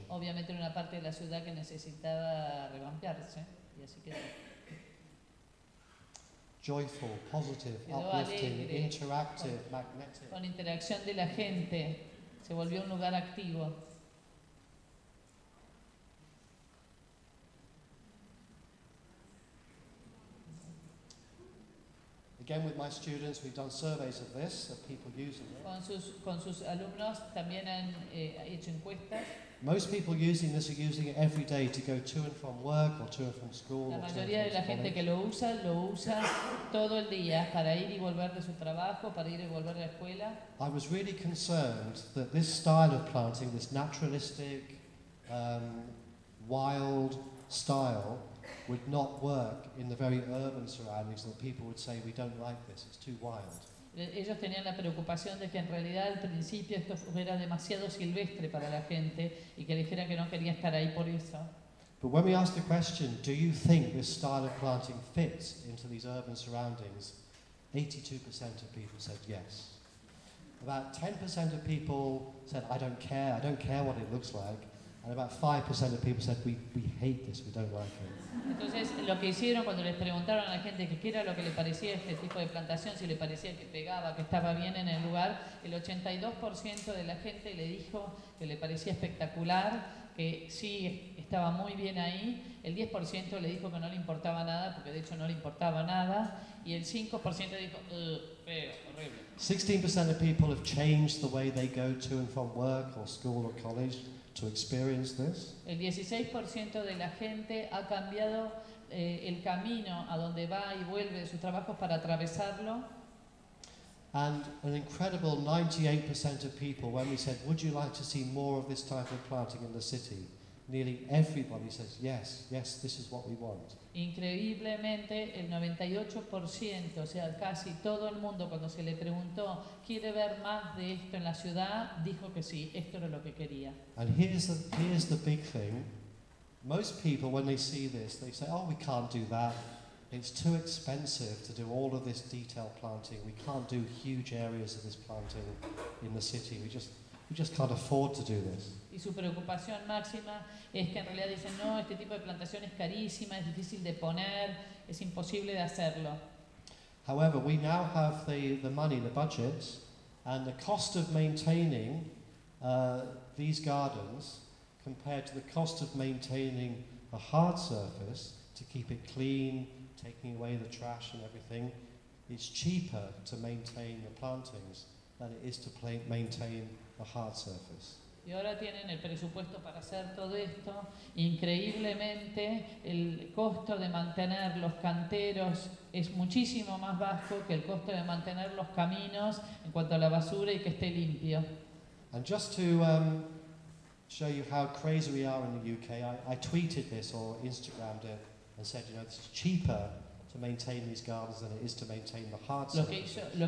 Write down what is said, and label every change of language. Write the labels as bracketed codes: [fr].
[es] Obviamente una parte de la ciudad que necesitaba revampiarse, y así quedó. [en] Joyful, positive, uplifting, [es] alegre, [en] interactive, magnetic. [es] Con interacción de la gente, se volvió un lugar activo. [en] Again, with my students, we've done surveys of this, of people using it. [es] Con sus alumnos también han hecho encuestas. [en] Most people using this are using it every day to go to and from work or to and from school. [es] La mayoría de la gente que lo usa todo el día para ir y volver de su trabajo, para ir y volver a la escuela. [en] I was really concerned that this style of planting, this naturalistic, wild style, would not work in the very urban surroundings, that people would say, we don't like this, it's too wild. [es] Ellos tenían la preocupación de que en realidad al principio esto era demasiado silvestre para la gente y que dijera que no quería estar ahí por eso. [en] But when we asked the question, do you think this style of planting fits into these urban surroundings, 82% of people said yes. About 10% of people said, I don't care what it looks like. And about 5% of people said, we hate this, we don't like it. [es] Entonces, lo que hicieron cuando les preguntaron a la gente qué era lo que le parecía este tipo de plantación, si le parecía que pegaba, que estaba bien en el lugar, el 82% de la gente le dijo que le parecía espectacular, que sí, estaba muy bien ahí. El 10% le dijo que no le importaba nada, porque de hecho no le importaba nada. Y el 5% dijo, feo, horrible. [en] 16% of people have changed the way they go to and from work or school or college to experience this. [es] El 16% de la gente ha cambiado el camino a donde va y vuelve de sus trabajos para atravesarlo. [en] And an incredible 98% of people, when we said, would you like to see more of this type of planting in the city? Nearly everybody says, yes, yes, this is what we want. [es] Increíblemente, el 98%, o sea, casi todo el mundo, cuando se le preguntó, ¿quiere ver más de esto en la ciudad? Dijo que sí, esto era lo que quería. [en] And here's the big thing. Most people, when they see this, they say, oh, we can't do that. It's too expensive to do all of this detailed planting. We can't do huge areas of this planting in the city. We just can't afford to do this. [es] Y su preocupación máxima es que en realidad dicen, no, este tipo de plantación es carísima, es difícil de poner, es imposible de hacerlo. [en] However, we now have the money, the budget, and the cost of maintaining these gardens compared to the cost of maintaining a hard surface to keep it clean, taking away the trash and everything, is cheaper to maintain the plantings than it is to maintain a hard surface. [es] Y ahora tienen el presupuesto para hacer todo esto. Increíblemente, el costo de mantener los canteros es muchísimo más bajo que el costo de mantener los caminos en cuanto a la basura y que esté limpio. [en] And just to show you how crazy we are in the UK, I tweeted this or Instagrammed it and said, you know, this is cheaper to maintain these gardens than it is to maintain the hard surfaces.